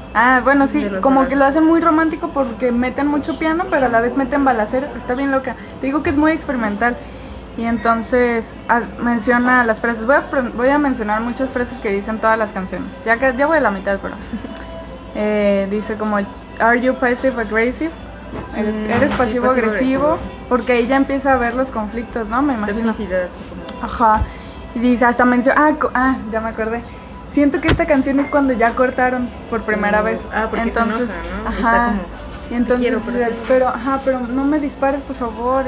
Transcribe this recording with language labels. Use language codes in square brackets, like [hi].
[es] Ah, bueno, sí, como balazos. Que lo hacen muy romántico porque meten mucho piano, pero a la vez meten balaceras, está bien loca. Te digo que es muy experimental. Y entonces menciona las frases. Voy a mencionar muchas frases que dicen todas las canciones. Ya voy a la mitad, pero... dice como, [en] are you passive aggressive? [es] ¿Eres pasivo-agresivo? Porque ella empieza a ver los conflictos, ¿no? Me imagino. Toxicidad. Ajá. Y dice, hasta menciona... ya me acordé. Siento que esta canción es cuando ya cortaron por primera vez. Ah, porque entonces, se enoja, ¿no? Ajá. Está como, y entonces dice, pero no me dispares, por favor.